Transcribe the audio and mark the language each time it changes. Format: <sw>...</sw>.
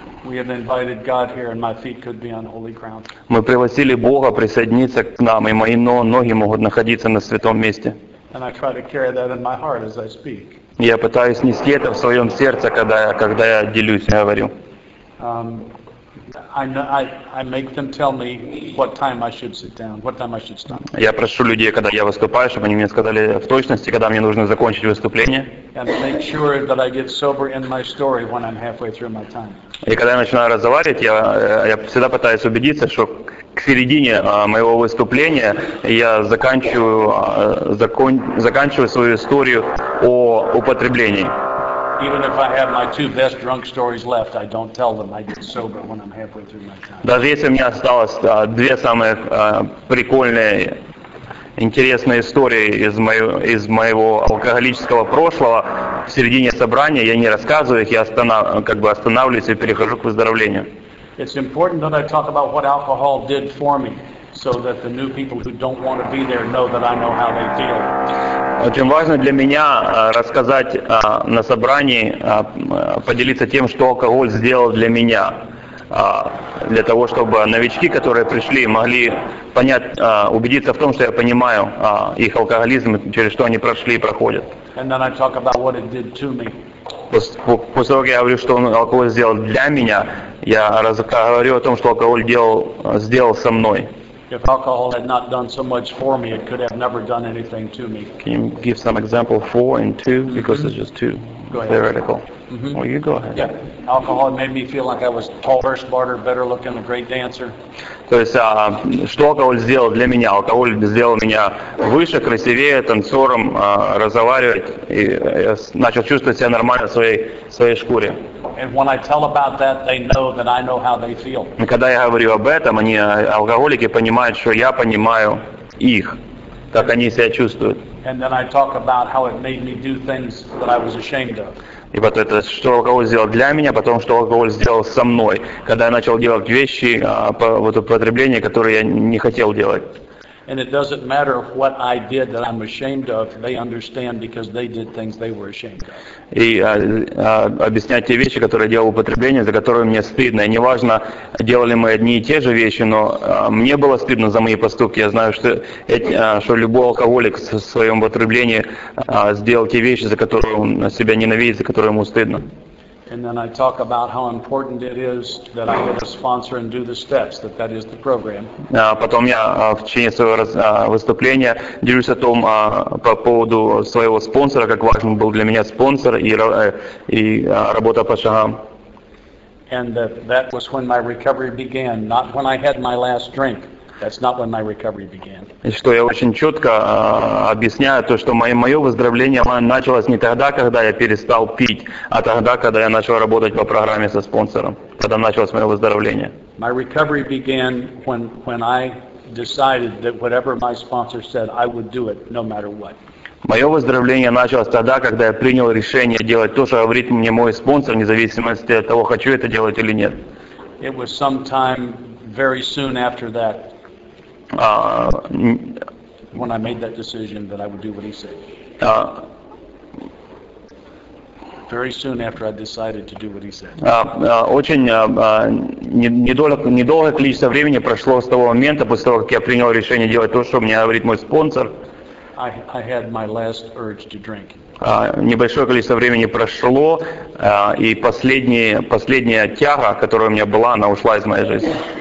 <en>We have invited God here, and my feet could be on holy ground.</en> <ru>Мы пригласили Бога присоединиться к нам, и мои ноги могут находиться на святом месте.</ru> <en>And I try to carry that in my heart as I speak.</en> <ru>Я пытаюсь нести это в своем сердце, когда я делюсь, говорю.</ru> <en>I make them tell me what time I should sit down, what time I should stop.</en> <ru>Я прошу людей, когда я выступаю, чтобы они мне сказали в точности, когда мне нужно закончить выступление.</ru> <en>And make sure that I get sober in my story when I'm halfway through my time.</en> <ru>И когда я начинаю разговаривать, я всегда пытаюсь убедиться, что к середине моего выступления я заканчиваю свою историю о употреблении.</ru> <en>Even if I have my two best drunk stories left, I don't tell them. I get sober when I'm halfway through my time.</en> <ru>Даже если у меня осталось две самые прикольные, интересные истории из моего алкоголического прошлого в середине собрания, я не рассказываю их, я останавливаюсь и перехожу к выздоровлению.</ru> <en>It's important that I talk about what alcohol did for me, so that the new people who don't want to be there know that I know how they feel.</en> <ru>Очень важно для меня рассказать на собрании, поделиться тем, что алкоголь сделал для меня, для того, чтобы новички, которые пришли, могли понять, убедиться в том, что я понимаю их алкоголизм, через что они прошли и проходят.</ru> <en>And then I talk about what it did to me.</en> <ru>После того, как я говорю, что алкоголь сделал для меня, я говорю о том, что алкоголь сделал со мной.</ru> <en>If alcohol had not done so much for me, it could have never done anything to me. Can you give some example 4 and 2? Mm-hmm. Because it's just too theoretical. Mm-hmm. Well, you go ahead. Yeah, alcohol made me feel like I was taller, smarter, better looking, a great dancer.</en> <ru>То есть, что алкоголь сделал для меня? Алкоголь сделал меня выше, красивее, танцором, разговаривать. И я начал чувствовать себя нормально в своей шкуре.</ru> <en>And when I tell about that, they know that I know how they feel.</en> <ru>Когда я говорю об этом, они, алкоголики, понимают, что я понимаю их, как они себя чувствуют.</ru> <en>And then I talk about how it made me do things that I was ashamed of.</en> <ru>И вот это, что алкоголь сделал для меня, потом, что алкоголь сделал со мной, когда я начал делать вещи, вот употребление, которое я не хотел делать.</ru> <en>And it doesn't matter what I did that I'm ashamed of, they understand because they did things they were ashamed of.</en> <ru>И объяснять те вещи, которые я делал в употреблении, за которые мне стыдно. И неважно, делали мы одни и те же вещи, но мне было стыдно за мои поступки. Я знаю, что, что любой алкоголик в своем употреблении сделал те вещи, за которые он себя ненавидит, за которые ему стыдно.</ru> <en>And then I talk about how important it is that I get a sponsor and do the steps, that that is the program.</en> <ru>Потом я в течение своего выступления делюсь о том, по поводу своего спонсора, как важен был для меня спонсор и работа по шагам.</ru> <en>And that was when my recovery began, not when I had my last drink. That's not when my recovery began.</en> <ru>И что я очень четко объясняю то, что мое выздоровление началось не тогда, когда я перестал пить, а тогда, когда я начал работать по программе со спонсором, когда началось мое выздоровление.</ru> <en>My recovery began when I decided that whatever my sponsor said, I would do it no matter what.</en> <ru>Мое выздоровление началось тогда, когда я принял решение делать то, что говорит мне мой спонсор, вне зависимости от того, хочу это делать или нет.</ru> <en>It was sometime very soon after that. When I made that decision that I would do what he said. Very soon after I decided to do what he said.</en> <ru>Недолгое количество времени прошло с того момента, после того, как я принял решение делать то, что мне говорит мой спонсор.</ru> <en>I had my last urge to drink.</en> <ru>Небольшое количество времени прошло, и последняя тяга, которая у меня была, она ушла из моей жизни.</ru>